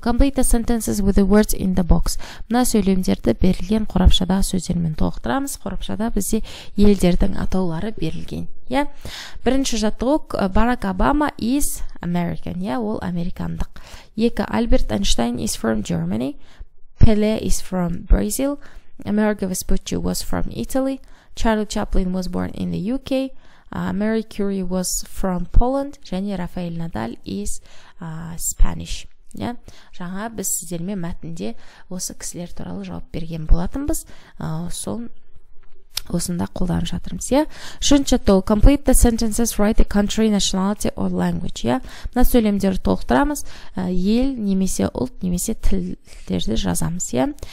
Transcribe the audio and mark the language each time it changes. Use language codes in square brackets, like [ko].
[en] Complete the sentences with the words in the box. [kk] Мына сөйлемдерді берілген қорапшада сөздермен толықтырамыз. Қорапшада бізде елдердің атаулары берілген. [en] Yeah. [kk] Бірінші жаттығу, Барак Обама [en] is American. [kk] Yeah, ол американдық. Екі, Альберт Эйнштейн [en] is from Germany. Пеле is from Brazil. Америка Веспуччи was from Italy. Чарли Чаплин was born in the UK. Мэри Кюри was from Poland. [kk] Және [en] Рафаэль Надаль is Spanish. Yeah. [kk] Жаңа біз сіздермен мәтінде осы кісілер туралы жауап берген болатынбыз. Сон осында қолданып жатырмыз, иә. Үшінші тол, [en] complete the sentences, write the country, nationality or language, [kk] иә. Мына сөйлемдерді толықтырамыз. Ел немесе ұлт немесе тілдерді жазамыз, иә.